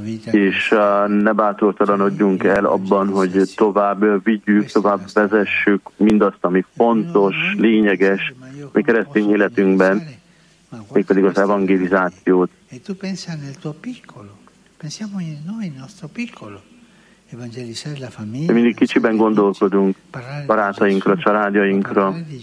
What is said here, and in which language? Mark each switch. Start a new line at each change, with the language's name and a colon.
Hungarian: és ne bátortalanodjunk el abban, hogy tovább vigyük, tovább vezessük mindazt, ami fontos, lényeges mi keresztény életünkben, mégpedig az evangelizációt.
Italian: E tu pensa nel tuo piccolo. Pensiamo in noi, nel nostro piccolo. Evangelizzare la famiglia.
Hungarian: Mindig kicsiben gondolkodunk, barátainkra, családjainkra.